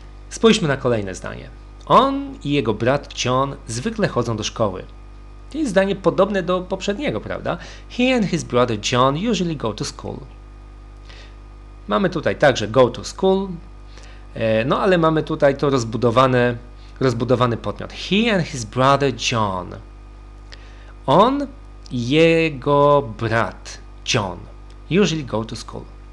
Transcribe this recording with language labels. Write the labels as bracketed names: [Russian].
[Polish] Spójrzmy na kolejne zdanie. On i jego brat John zwykle chodzą do szkoły. To jest zdanie podobne do poprzedniego, prawda? [English] He and his brother John usually go to school. [Polish] Mamy tutaj także [English] go to school, [Polish] no ale mamy tutaj to rozbudowany podmiot. [English] He and his brother John. [Polish] On i jego brat John [English] usually go to school.